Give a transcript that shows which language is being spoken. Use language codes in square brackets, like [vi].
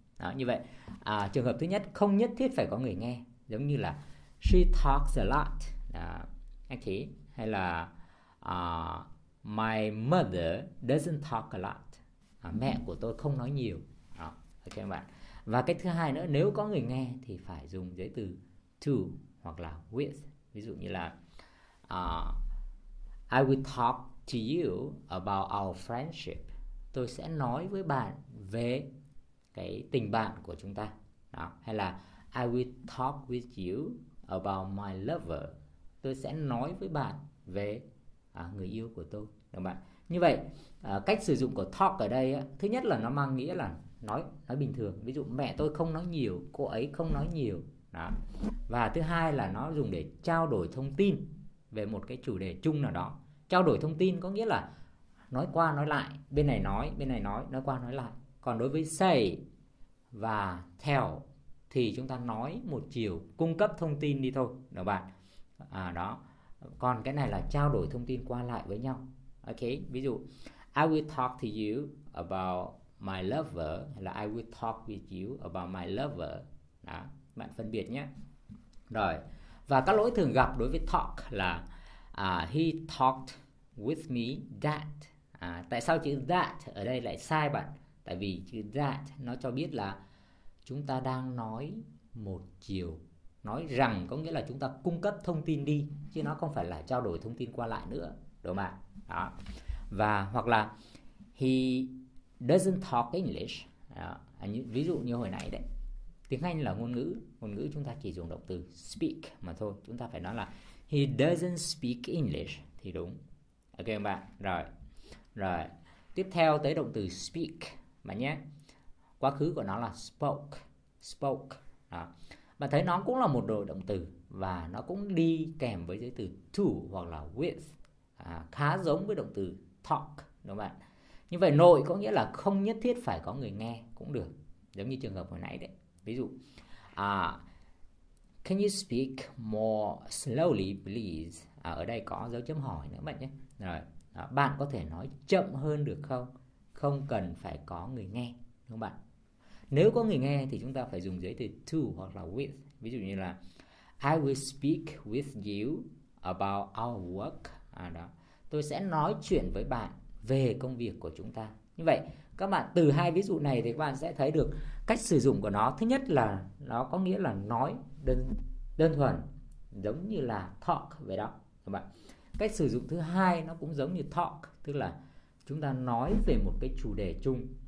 [vi] Đó, như vậy trường hợp thứ nhất không nhất thiết phải có người nghe, giống như là [en] she talks a lot, [vi] okay. Hay là [en] my mother doesn't talk a lot, [vi] mẹ của tôi không nói nhiều. Ok các bạn. Và cái thứ hai nữa, nếu có người nghe thì phải dùng giới từ to hoặc là with. Ví dụ như là [en] I will talk to you about our friendship. [vi] Tôi sẽ nói với bạn về cái tình bạn của chúng ta. Đó. Hay là [en] I will talk with you about my lover. [vi] Tôi sẽ nói với bạn về người yêu của tôi. Đúng không ạ? Như vậy, cách sử dụng của talk ở đây, thứ nhất là nó mang nghĩa là nói bình thường. Ví dụ mẹ tôi không nói nhiều, cô ấy không nói nhiều. Đó. Và thứ hai là nó dùng để trao đổi thông tin về một cái chủ đề chung nào đó. Trao đổi thông tin có nghĩa là nói qua nói lại, bên này nói qua nói lại. Còn đối với say và tell thì chúng ta nói một chiều, cung cấp thông tin đi thôi, đúng không bạn? Đó. Còn cái này là trao đổi thông tin qua lại với nhau. [en] Ok, [vi] ví dụ [en] I will talk to you about my lover, [vi] hay là [en] I will talk with you about my lover. [vi] Đó, bạn phân biệt nhé. Rồi. Và các lỗi thường gặp đối với talk là [en] he talked with me that. [vi] Tại sao chữ that ở đây lại sai bạn? Tại vì chữ that nó cho biết là chúng ta đang nói một chiều. Nói rằng có nghĩa là chúng ta cung cấp thông tin đi, chứ nó không phải là trao đổi thông tin qua lại nữa, đúng không ạ? Đó. Và hoặc là [en] he doesn't talk English. [vi] Ví dụ như hồi nãy đấy, tiếng Anh là ngôn ngữ chúng ta chỉ dùng động từ speak mà thôi. Chúng ta phải nói là [en] he doesn't speak English [vi] thì đúng. Ok không bạn? Rồi. Rồi. Tiếp theo tới động từ speak bạn nhé. Quá khứ của nó là spoke. Spoke. Đó. Bạn thấy nó cũng là một nội động từ và nó cũng đi kèm với giới từ to hoặc là with. Khá giống với động từ talk, đúng không bạn? Như vậy nội có nghĩa là không nhất thiết phải có người nghe cũng được. Giống như trường hợp hồi nãy đấy. Ví dụ, [en] can you speak more slowly, please? [vi] Ở đây có dấu chấm hỏi nữa bạn nhé. Rồi, bạn có thể nói chậm hơn được không? Không cần phải có người nghe, đúng không bạn? Nếu có người nghe thì chúng ta phải dùng giới từ to hoặc là with. Ví dụ như là [en] I will speak with you about our work. Đó. [vi] Tôi sẽ nói chuyện với bạn về công việc của chúng ta. Như vậy, các bạn từ hai ví dụ này thì các bạn sẽ thấy được cách sử dụng của nó. Thứ nhất là nó có nghĩa là nói đơn thuần, giống như là talk vậy đó. Các bạn. Cách sử dụng thứ hai nó cũng giống như talk, tức là chúng ta nói về một cái chủ đề chung.